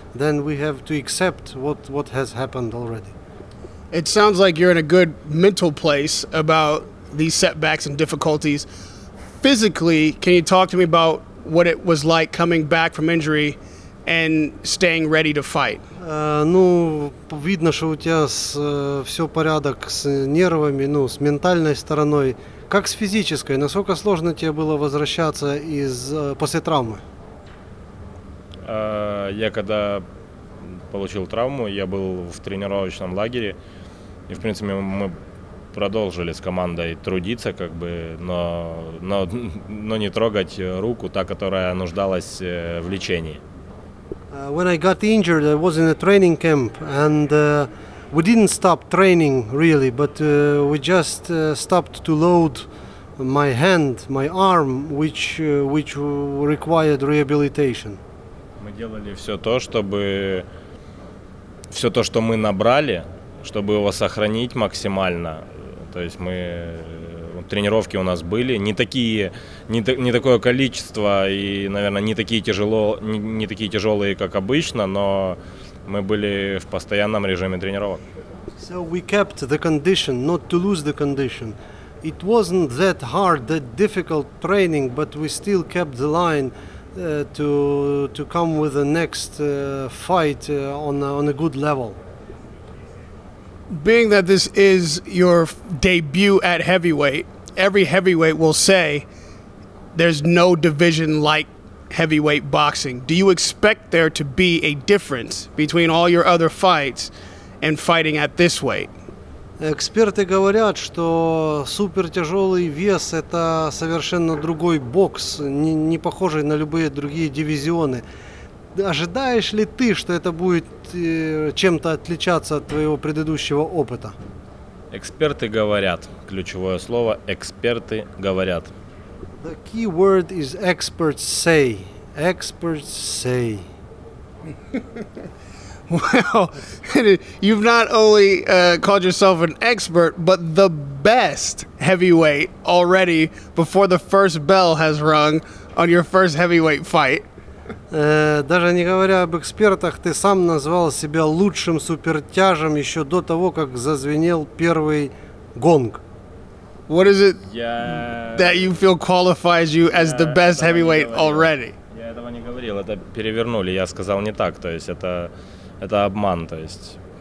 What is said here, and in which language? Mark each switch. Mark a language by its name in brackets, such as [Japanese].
[English] Then we have to accept what has happened already. It sounds like you're in a good mental place about these setbacks and difficulties. Physically, can you talk to me about what it was like coming back from injury and staying ready to fight? [Russian] Ну, видно, что у тебя все порядок с нервами, ну, с ментальной стороной. Как с физической? Насколько сложно тебе было возвращаться из после травмы? Я когда получил травму, я был в тренировочном лагере. И, в принципе, мы продолжили с командой трудиться, как бы, но не трогать руку, та, которая нуждалась в лечении. [English] When I got injured, I was in a training camp, and we didn't stop training really, but we just stopped to load my hand, my arm, which required rehabilitation. [Russian] Мы делали все то, чтобы все то, что мы набрали, чтобы его сохранить максимально. То есть мы тренировки у нас были не такое количество и, наверное, не такие тяжелые, как обычно, но мы были в постоянном режиме тренировок. [English] So we kept the condition, not to lose the condition. It wasn't that hard, that difficult training, but we still kept the line to come with the next fight on a good level. Being that this is your debut at heavyweight, every heavyweight will say there's no division like heavyweight boxing. Do you expect there to be a difference between all your other fights and fighting at this weight? [Russian] Эксперты говорят, что супертяжелый вес – это совершенно другой бокс, не похожий на любые другие дивизионы. Ожидаешь ли ты, что это будет чем-то отличаться от твоего предыдущего опыта? Эксперты говорят. Ключевое слово – эксперты говорят. [English] The key word is experts say. Experts say. Well, you've not only called yourself an expert, but the best heavyweight already before the first bell has rung on your first heavyweight fight. [Russian] Даже не говоря об экспертах, ты сам назвал себя лучшим супертяжем еще до того, как зазвенел первый гонг. [English] What is it that you feel qualifies you as the best heavyweight already? [Russian] Я этого не говорил, это перевернули, я сказал не так, то есть это обман, то есть.